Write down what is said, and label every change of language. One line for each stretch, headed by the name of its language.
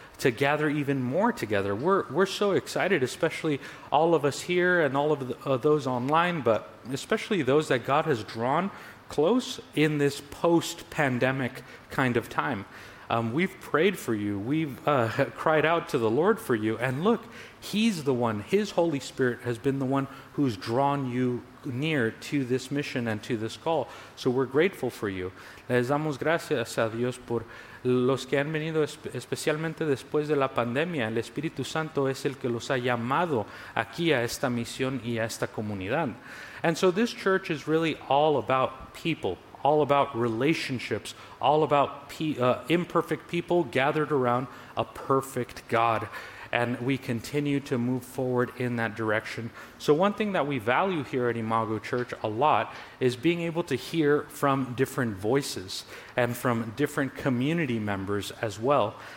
English: to gather even more together. We're so excited, especially all of us here and all of the, those online, but especially those that God has drawn close in this post-pandemic kind of time. We've prayed for you. We've cried out to the Lord for you. And look, He's the one. His Holy Spirit has been the one who's drawn you near to this mission and to this call. So we're grateful for you.
Spanish: Les damos gracias a Dios por los que han venido, especialmente después de la pandemia. El Espíritu Santo es el que los ha llamado aquí a esta misión y a esta comunidad.
English: And so this church is really all about people, all about relationships, all about imperfect people gathered around a perfect God. And we continue to move forward in that direction. So one thing that we value here at Imago Church a lot is being able to hear from different voices and from different community members as well.